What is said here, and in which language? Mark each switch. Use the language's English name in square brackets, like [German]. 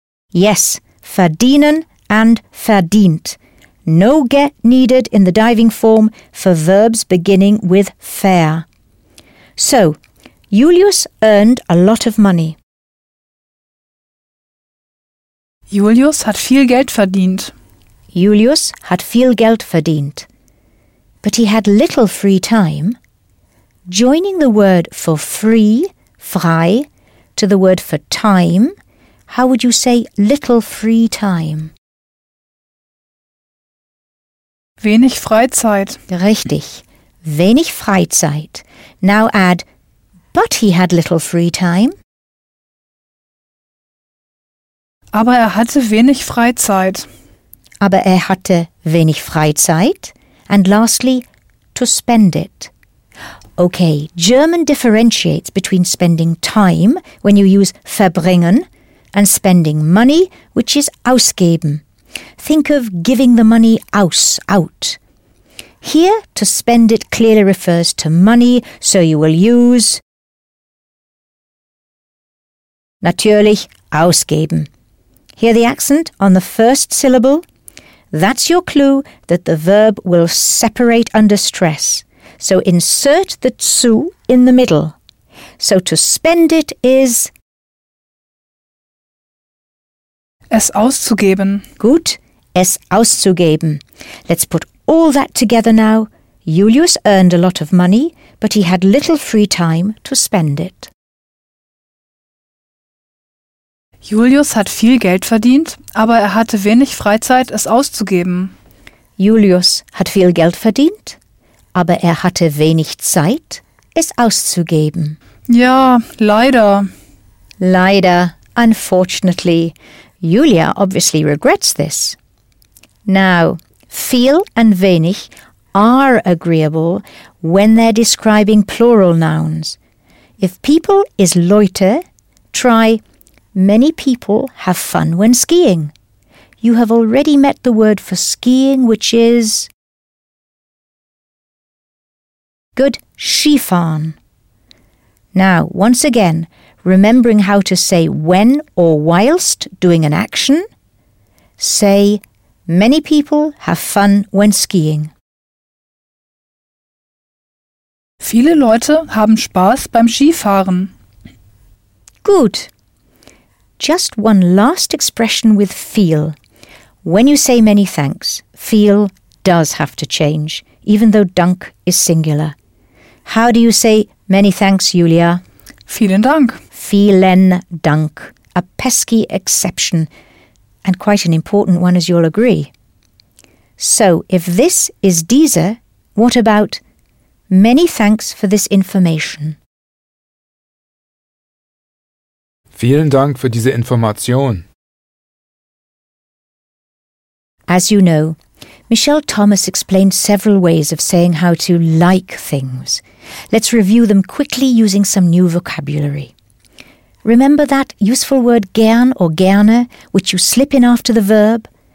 [English] Yes, verdienen and verdient. No get needed in the diving form for verbs beginning with ver. So, Julius earned a lot of money. [German] Julius hat viel Geld verdient. Julius hat viel Geld verdient. [English] But he had little free time. Joining the word for free, frei, to the word for time, how would you say little free time? [German] Wenig Freizeit. Richtig. Wenig Freizeit. [English] Now add, but he had little free time. [German] Aber er hatte wenig Freizeit. Aber er hatte wenig Freizeit. [English] And lastly, to spend it. Okay, German differentiates between spending time, when you use verbringen, and spending money, which is ausgeben. Think of giving the money aus, out. Here, to spend it clearly refers to money, so you will use... Natürlich, ausgeben. Hear the accent on the first syllable? That's your clue that the verb will separate under stress. So insert the zu in the middle. So to spend it is... [German] Es auszugeben. Gut, es auszugeben. [English] Let's put all that together now. Julius earned a lot of money, but he had little free time to spend it. [German] Julius hat viel Geld verdient, aber er hatte wenig Freizeit, es auszugeben. Julius hat viel Geld verdient, aber er hatte wenig Zeit, es auszugeben. Ja, leider. Leider, unfortunately. [English] Julia obviously regrets this. Now, viel and wenig are agreeable when they're describing plural nouns. If people is Leute, try many people have fun when skiing. You have already met the word for skiing, which is... Good, Skifahren. Now, once again, remembering how to say when or whilst doing an action, say, many people have fun when skiing. [German] Viele Leute haben Spaß beim Skifahren. [English] Good. Just one last expression with feel. When you say many thanks, feel does have to change, even though Dank is singular. How do you say many thanks, Julia? [German] Vielen Dank. Vielen Dank. [English] A pesky exception, and quite an important one, as you'll agree. So, if this is diese, what about many thanks for this information? [German] Vielen Dank für diese Information. [English] As you know, Michelle Thomas explained several ways of saying how to like things. Let's review them quickly using some new vocabulary. Remember that useful word gern or gerne, which you slip in after the verb?